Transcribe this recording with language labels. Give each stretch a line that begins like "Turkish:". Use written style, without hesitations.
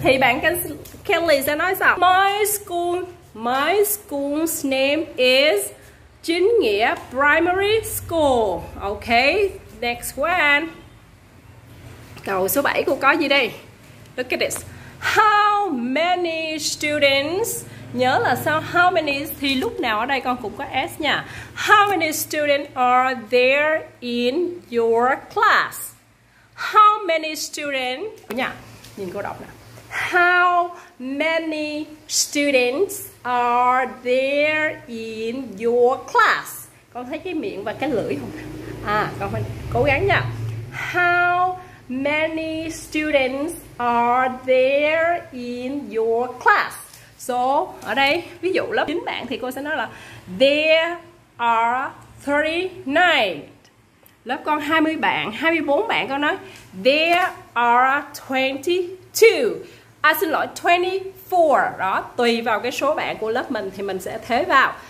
Vietnamese: Thì bạn Kelly sẽ nói sao?
English: My school's name is
Vietnamese: chính nghĩa primary school. Okay, next one. Câu số 7 cô có gì đây?
English: Look at this. How many students?
Vietnamese: Nhớ là sao? How many thì lúc nào ở đây con cũng có S nha.
English: How many students are there in your class? How many students?
Vietnamese: Nha, nhìn cô đọc nè.
English: How many students are there in your class?
Vietnamese: Con thấy cái miệng và cái lưỡi không? À, con phải cố gắng nha.
English: How many students are there in your class?
Vietnamese: So, ở đây, ví dụ lớp 9 bạn thì cô sẽ nói là
English: there are 39.
Vietnamese: Lớp con 20 bạn, 24 bạn con nói
English: there are 22.
Vietnamese: À xin lỗi, 24. Đó, tùy vào cái số bạn của lớp mình thì mình sẽ thế vào.